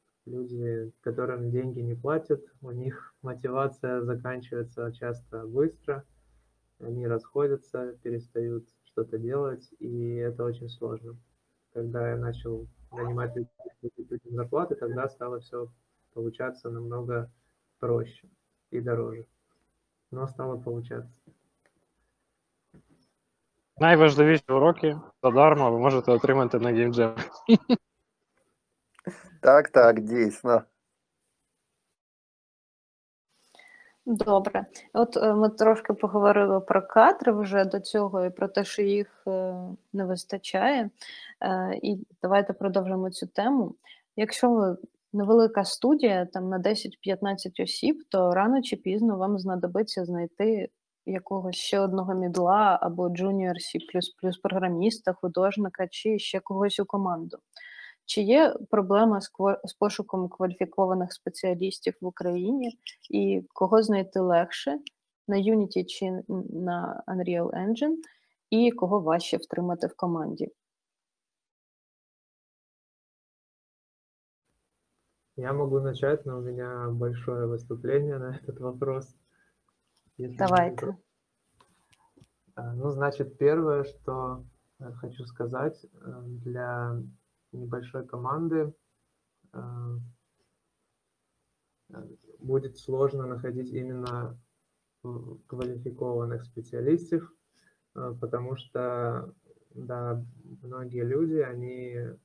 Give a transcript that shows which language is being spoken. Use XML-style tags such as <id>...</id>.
<ru>Люди, которым деньги не платят, у них мотивация заканчивается часто быстро, они расходятся, перестают что-то делать, и это очень сложно. Когда я начал нанимать зарплаты, тогда стало все получаться намного проще и дороже. Но стало получаться.</ru> <uk>Найважливіші уроки задарма ви можете отримати на геймджем. Так, так, дійсно. Добре. От ми трошки поговорили про кадри вже до цього і про те, що їх не вистачає. І давайте продовжимо цю тему. Якщо ви невелика студія, там на 10-15 осіб, то рано чи пізно вам знадобиться знайти якогось ще одного мідла або джуніор C++ програміста, художника чи ще когось у команду. Чи є проблема з пошуком кваліфікованих спеціалістів в Україні і кого знайти легше на Unity чи на Unreal Engine і кого важче втримати в команді?</uk> <ru>Я могу начать, но у меня большое выступление на этот вопрос.</ru> <uk>Давайте.</uk> <ru>Ну, значит, первое, что хочу сказать, для небольшой команды будет сложно находить именно квалифицированных специалистов, потому что, да, многие люди, они...</ru>